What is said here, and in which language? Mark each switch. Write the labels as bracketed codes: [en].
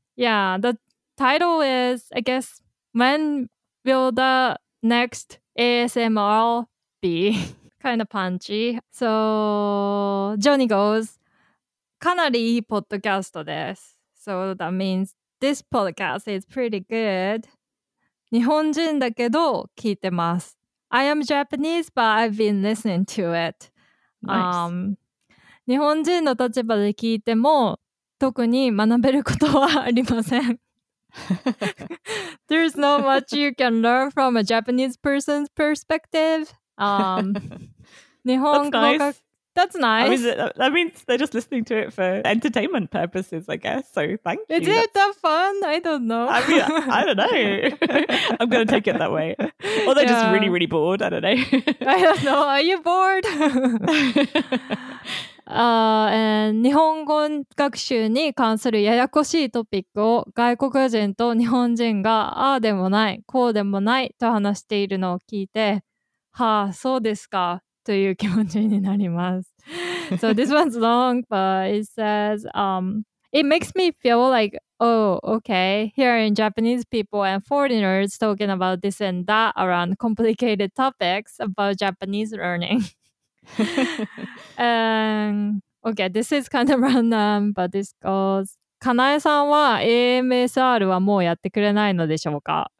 [en] Yeah, the title is, I guess, when will the next ASMR be? Kind of punchy. So Johnny goes, [ja] かなりいいポッドキャストです. [en] So that means, this podcast is pretty good. [ja] 日本人だけど聞いてます。 [en] I am Japanese, but I've been listening to it. Nice. [ja] 日本人の立場で聞いても、特に学べることはありません。 [en] There's not much you can learn from a Japanese person's perspective. [ja] 日本語学 [en] That's nice. I mean, that means they're just listening to it for entertainment purposes, I guess. So thank you. Is it that fun? I don't know. I mean, I don't know. I'm going to take it that way. Or they're just really, really bored. I don't know. I don't know. Are you bored? [ja] 日本語学習に関するややこしいトピックを外国人と日本人がああでもない、こうでもないと話しているのを聞いて、はあ、そうですか。という気持ちになります。 [en] So this one's long, but it says, it makes me feel like, oh, okay, hearing Japanese people and foreigners talking about this and that around complicated topics about Japanese learning. okay, this is kind of random, but this goes, [ja] かなえさんは AMSR はもうやってくれないのでしょうか?